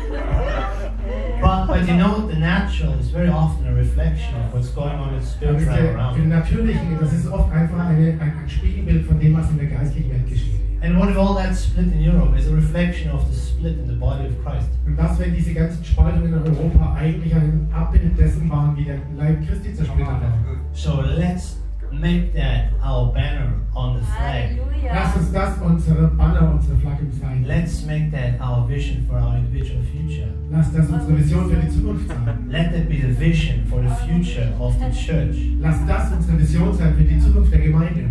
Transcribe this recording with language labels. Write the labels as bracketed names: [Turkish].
[English] But you know, the natural is very often a reflection of what's going on in the spiritual realm. [German] Im Natürlichen, das ist oft einfach ein Spiegelbild von dem, was in der geistlichen Welt geschieht. [English] And what if all that split in Europe is a reflection of the split in the body of Christ? [German] Und was, wenn diese ganzen Spaltungen in Europa eigentlich ein Abbild dessen waren, wie der Leib Christi zersplittert wird? [English] So let's make that our banner on the flag. [German] Lass uns das unsere Banner, unsere Flagge sein. [English] Let's make that our vision for our individual future. [German] Lass das unsere Vision für die Zukunft sein. [English] Let that be the vision for the future of the church. [German] Lass das unsere Vision sein für die Zukunft der Gemeinde.